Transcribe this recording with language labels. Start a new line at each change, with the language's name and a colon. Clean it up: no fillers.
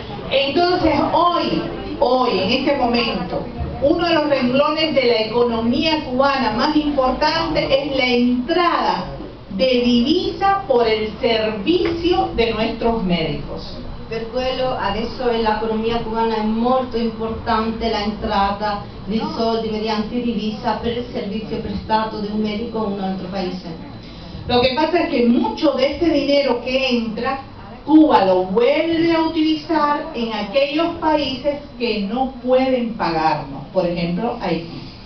Spanish: Entonces hoy en este momento, uno de los renglones de la economía cubana más importante es la entrada de divisa por el servicio de nuestros médicos.
Italian: Per quello adesso
Spanish: en la economía cubana es
Italian: molto importante
Spanish: la entrada
Italian: di soldi mediante divisa per il servizio prestato di un medico in un altro paese.
Spanish: Lo que pasa es que mucho de este dinero que entra, Cuba lo vuelve a utilizar en aquellos países que no pueden pagarnos, por ejemplo, Haití.